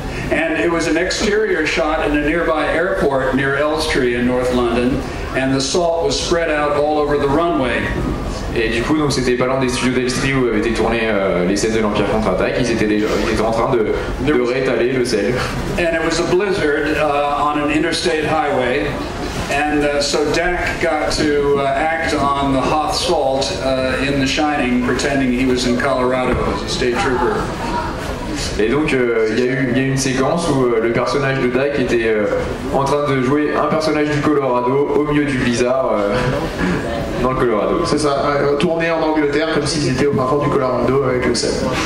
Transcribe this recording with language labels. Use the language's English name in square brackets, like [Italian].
[English] And it was an exterior shot in a nearby airport near Elstree in North London, and the salt was spread out all over the runway. [French] Et du coup, donc c'était pas loin des studios d'Elstree où avaient été tournées les scènes de l'Empire contre-attaque. Ils étaient en train de réétaler le sel. [English] And it was a blizzard on an interstate highway, and so Dak got to act on the hot salt in The Shining, pretending he was in Colorado as a state trooper. [French] Et donc il y a eu une séquence où le personnage de Dak était en train de jouer un personnage du Colorado au milieu du blizzard dans le Colorado. C'est ça, tourner en Angleterre comme s'ils étaient au fin fond du Colorado avec le set.